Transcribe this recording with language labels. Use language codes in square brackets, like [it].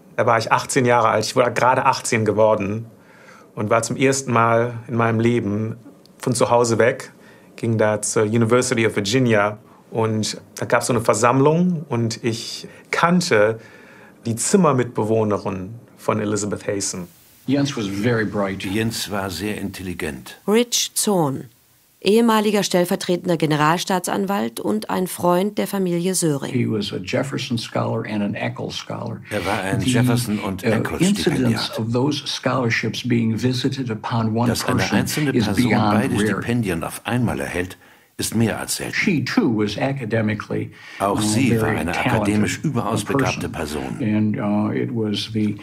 [de] Da war ich 18 Jahre alt, ich war gerade 18 geworden und war zum ersten Mal in meinem Leben von zu Hause weg, ging da zur University of Virginia und da gab es so eine Versammlung und ich kannte die Zimmermitbewohnerin von Elizabeth Haysom. [en] Jens was very bright. [de] Jens war sehr intelligent. Rich Zorn, ehemaliger stellvertretender Generalstaatsanwalt und ein Freund der Familie Söhring. [en] He was a Jefferson Scholar and an Eccles Scholar. [de] Er war ein Jefferson- und Eccles-Stipendiat. Dass eine einzelne Person beide Stipendien auf einmal erhält, ist mehr als selten. [en] She too was academically [de] auch sie war eine akademisch überaus begabte Person. [en] And, it was the